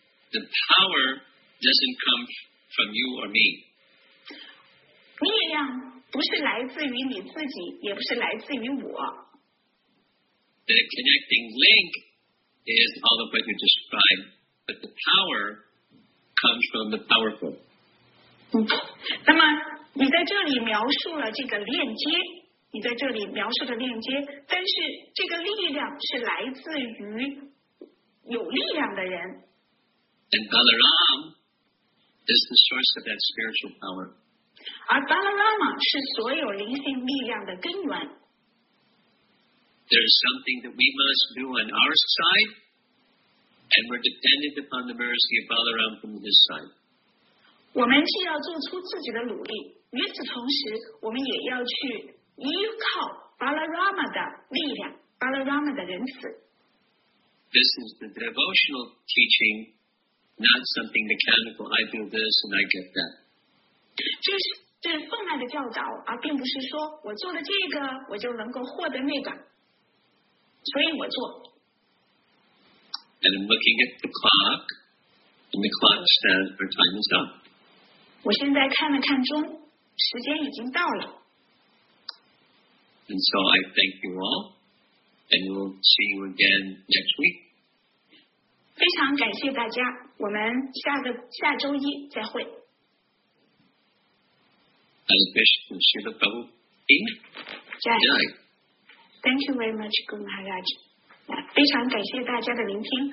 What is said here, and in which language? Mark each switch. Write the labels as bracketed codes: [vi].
[en] The power doesn't come from you or me. [zh] 力量不是来自于你自己，也不是来自于我。 [en] The connecting link is all of what you described, but the power comes from the powerful. [zh] 那么你在这里描述了这个链接，你在这里描述的链接，但是这个力量是来自于有力量的人。 [en] And Balaram is the source of that spiritual power. [zh] 而 Balarama 是所有灵性力量的根源。 [en] There is something that we must do on our side, and we're dependent upon the mercy of Balaram from his side. [zh] 我们既要做出自己的努力，与此同时，我们也要去依靠 Balarama 的力量 ，Balarama 的仁慈。 [en] This is the devotional teaching, not something mechanical. I do this and I get that. [zh] 这是分外的教导，而并不是说我做了这个，我就能够获得那个。所以我做。 [en] And I'm looking at the clock, and the clock says our time is up. [zh] 我现在看了看钟，时间已经到了。 [en] And so I thank you all, and we'll see you again next week. [zh] 非常感谢大家，我们下周一再会。 [en] As a bishop of Srila Prabhupada, good night. Thank you very much, Guru Maharaj. [zh] 非常感谢大家的聆听。